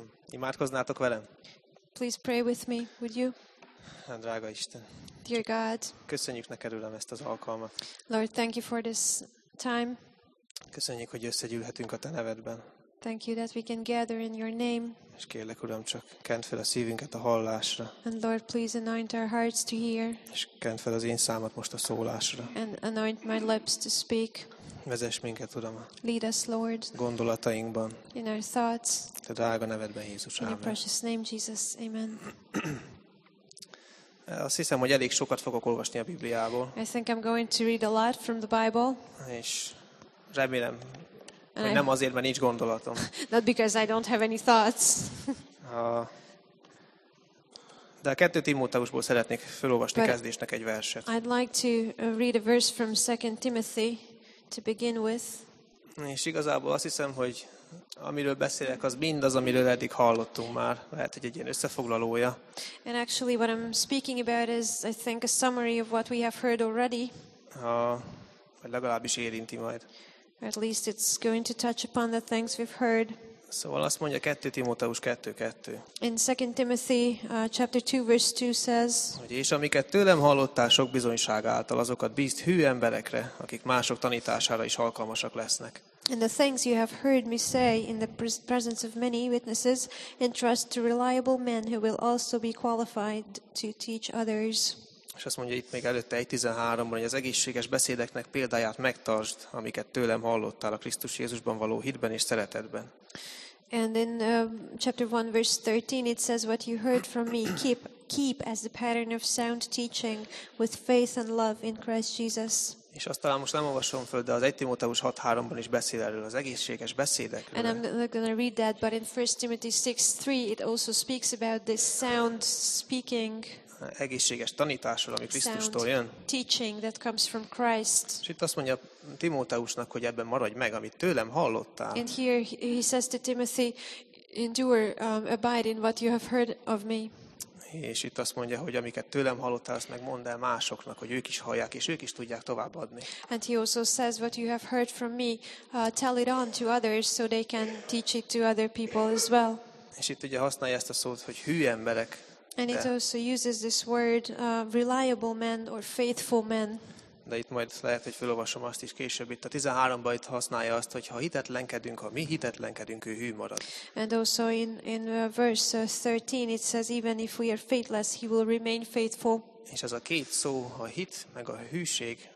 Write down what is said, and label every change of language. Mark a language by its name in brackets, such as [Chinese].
[Hungarian] Imádkoznátok velem? [English] Please pray with me, would you? [Hungarian] Drága Isten! [English] Dear God! [Hungarian] Köszönjük neked, Uram, ezt az alkalmat! [English] Lord, thank you for this time! [Hungarian] Köszönjük, hogy összegyűlhetünk a te nevedben! [English] Thank you that we can gather in your name! [Hungarian] És kérlek, Uram, csak kent fel a szívünket a hallásra. [English] And Lord, please anoint our hearts to hear. [Hungarian] És kent fel az én számat most a szólásra. [English] And anoint my lips to speak. [Hungarian] Vezess minket, Uram. [English] Lead us, Lord. [Hungarian] Gondolatainkban. [English] In our thoughts. [Hungarian] Te drága nevedben, Jézus, [English] amen. In your precious name, Jesus, amen. [Hungarian] Azt hiszem, hogy elég sokat fogok olvasni a Bibliából. [English] I think I'm going to read a lot from the Bible. [Hungarian] És remélem, hogy nem azért, mert nincs gondolatom. [English] Not because I don't have any thoughts. [Hungarian] De a 2 Timóteusból szeretnék felolvasni kezdésnek egy verset. [English] I'd like to read a verse from 2 Timothy to begin with. [Hungarian] És igazából azt hiszem, hogy amiről beszélek, az mindaz, amiről eddig hallottunk már. Lehet, hogy egy ilyen összefoglalója. [English] And actually what I'm speaking about is, I think, a summary of what we have heard already. [Hungarian] Vagy legalábbis érinti majd. [English] At least it's going to touch upon the things we've heard. [Hungarian] Szóval azt mondja 2 Timóteus 2:2. [English] In 2 Timothy chapter 2 verse 2 says, [Hungarian] hogy és amiket tőlem hallottál sok bizonyság által, azokat bízd hű emberekre, akik mások tanítására is alkalmasak lesznek. [English] And the things you have heard me say in the presence of many witnesses, entrust to reliable men who will also be qualified to teach others. [Hungarian] És azt mondja itt még előtte 1:13-ban, hogy az egészséges beszédeknek példáját megtartsd, amiket tőlem hallottál a Krisztus Jézusban való hitben és szeretetben. [English] And in chapter 1 verse 13 it says what you heard from me keep as the pattern of sound teaching with faith and love in Christ Jesus. [Hungarian] És azt talán most nem olvasom föl, de az 1 Timóteus 6:3-ban is beszél erről az egészséges beszédekről. [English] And I'm not going to read that, but in 1 Timothy 6:3 it also speaks about this sound speaking. [Hungarian] Egészséges tanításról, ami Krisztustól jön. [English] Teaching that comes from Christ. [Hungarian] És itt azt mondja Timóteusnak, hogy ebben maradj meg, amit tőlem hallottál. [English] And here he says to Timothy, endure, abide in what you have heard of me. [Hungarian] És itt azt mondja, hogy amiket tőlem hallottál, azt meg mondd el másoknak, hogy ők is hallják, és ők is tudják továbbadni. [English] And he also says what you have heard from me, tell it on to others, so they can teach it to other people as well. [Hungarian] És itt ugye használja ezt a szót, hogy hű emberek. [English] And it also uses this word, reliable men or faithful men. [Hungarian] De itt majd lehet, hogy felolvasom azt is később. Itt a 13-ban itt használja azt, hogy ha hitetlenkedünk, ha mi hitetlenkedünk, ő hű marad. [English] And also in verse 13 it says, even if we are faithless, he will remain faithful. [Hungarian] És ez a két szó, a hit meg a hűség.